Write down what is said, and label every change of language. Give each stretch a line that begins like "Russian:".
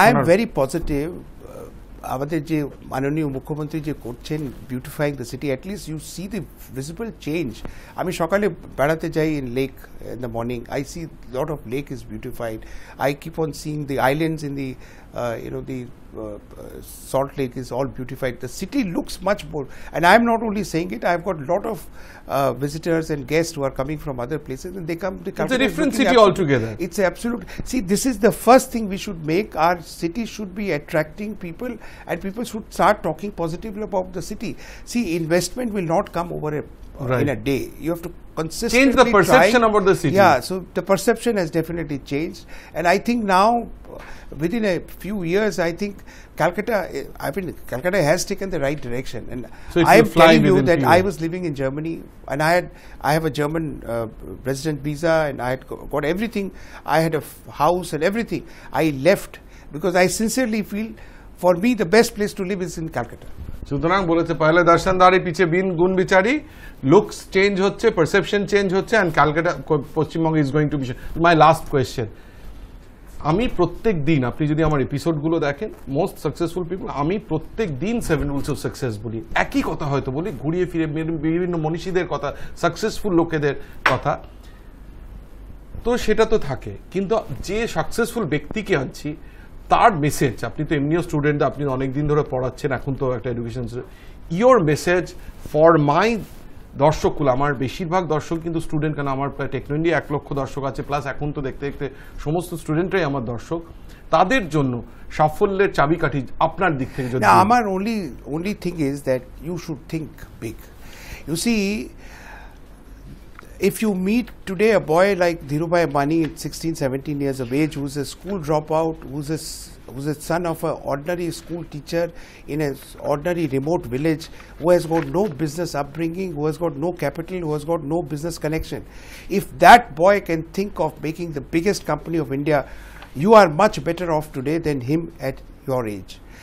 English: I am very positive,
Bangla: আমাদের যে মাননীয় মুখ্যমন্ত্রী যে করছেন
English: beautifying the city, at least you see the visible change,
Bangla: আমি সকালে বেড়াতে যাই
English: In lake in the morning, I see lot of lake is beautified, I keep on seeing the islands in the you know the salt lake is all beautified, the city looks much more, and I am not only saying it, I have got lot of visitors and guest who are coming from other places and they come to come it's a different city all together, it's absolute, see this is the first thing we should make, our city should be attracting people and people should start talking positively about the city, see investment will not come over a in a day, you have to change the perception about the city. Yeah, so the perception has definitely changed. And I think now, within a few years, I think Calcutta has taken the right direction. And so I am telling you that I was living in Germany and I have a German resident visa and I had got everything. I had a house and everything. I left because I sincerely feel for me the best place to live is in Calcutta.
Bangla: সুতরাং বলেছে
Hindi: পয়লা দর্শনদারি পিছে বিন গুণ বিচারি,
Bangla: looks change হচ্ছে, perception change হচ্ছে,
English: and Calcutta Paschimbanga is going to be, my last question,
Bangla: আমি প্রত্যেক দিন, আপনি যদি আমার এপিসোডগুলো দেখেন
English: most successful people,
Bangla: আমি প্রত্যেক দিন 7 Rules of Success বলি, একই কথা হয়তো বলি, ঘুরিয়ে ফিরে বিভিন্ন মনীষীদের কথা, সাকসেসফুল লোকেদের কথা, তো সেটা তো থাকে, কিন্তু যে সাকসেসফুল ব্যক্তিকে আনছি তার মেসেজ, আপনি তো এমনিও স্টুডেন্ট, আপনি অনেকদিন ধরে পড়াচ্ছেন, এখন তো একটা education,
English: your message for my
Bangla: দর্শকগুলো, আমার বেশিরভাগ দর্শক কিন্তু স্টুডেন্ট, কারণ আমার প্রায় টেকনো ইন্ডিয়া 1 লক্ষ দর্শক আছে, প্লাস এখন তো দেখতে দেখতে সমস্ত স্টুডেন্টরাই আমার দর্শক, তাদের জন্য সাফল্যের চাবিকাঠি আপনার দিক থেকে যদি, আমার
English: Only thing is that you should think big, you see if you meet today a boy like Dhirubhai Ambani, 16-17 years of age, who's a school dropout, who's a son of an ordinary school teacher in an ordinary remote village, who has got no business upbringing, who has got no capital, who has got no business connection, if that boy can think of making the biggest company of India, you are much better off today than him at your age.